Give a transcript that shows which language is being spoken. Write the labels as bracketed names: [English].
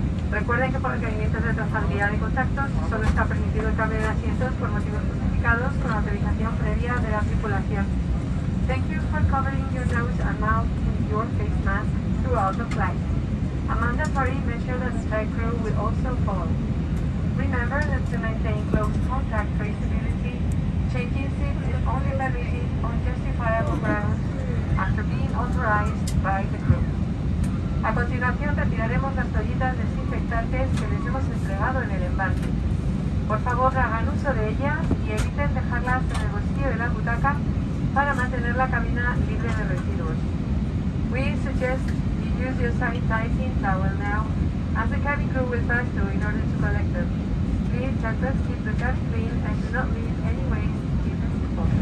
[Spanish] Recuerden que por requerimientos de trazabilidad de contactos solo está permitido el cambio de asientos por motivos justificados con autorización previa de la tripulación. [English] Thank you for covering your nose and mouth with your face mask throughout the flight. Amanda Parry mentioned that the flight crew will also follow. Remember that to maintain close contact traceability, changing seats is only permitted on justifiable grounds after being authorized by the crew. [Spanish] A continuación, retiraremos las toallitas desinfectantes que les hemos entregado en el embarque. Por favor, hagan uso de ellas y eviten dejarlas en el bolsillo de la butaca para mantener la cabina libre de residuos. [English] We suggest you use your sanitizing towel now, as the cabin crew will pass through in order to collect them. Please just keep the cabin clean and do not leave any waste if possible.